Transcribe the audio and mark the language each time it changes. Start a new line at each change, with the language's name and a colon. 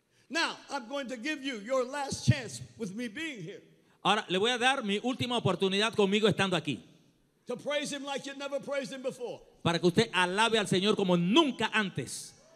English: Now, I'm going to give you your last chance with me being here.
Spanish: Ahora, le voy a dar mi última oportunidad conmigo estando aquí.
English: To praise him like you never praised him before.
Spanish: Para que usted alabe al Señor como nunca antes.